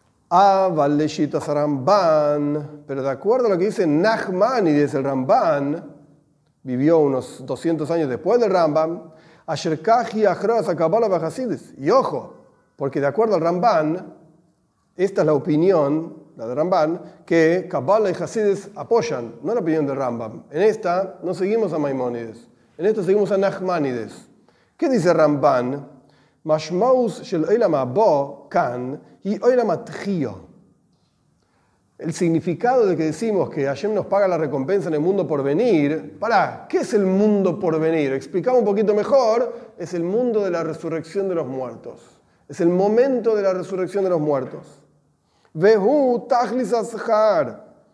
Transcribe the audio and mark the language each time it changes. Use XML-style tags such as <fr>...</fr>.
<he>אבל לשיטת הרמב"ן,</he> <es>pero de acuerdo a lo que dice Nachmanides el Ramban, vivió unos 200 años después del Rambam,</es> <he>אשר כך היא הכרעת הקבלה והחסידות.</he> <es>Y ojo, porque de acuerdo al Ramban, esta es la opinión, la de Ramban, que Kabbalah y Hasidus apoyan, no la opinión del Rambam. En esta no seguimos a Maimónides, en esta seguimos a Nachmanides. ¿Qué dice Ramban?</es> <he>משמעות של עולם הבא כאן היא עולם התחיו.</he> <es>El significado de que decimos que Hashem nos paga la recompensa en el mundo por venir, para, ¿qué es el mundo por venir? Explicamos un poquito mejor, es el mundo de la resurrección de los muertos. Es el momento de la resurrección de los muertos.</es> <he>Vehu tachlis ha-shechar.</he>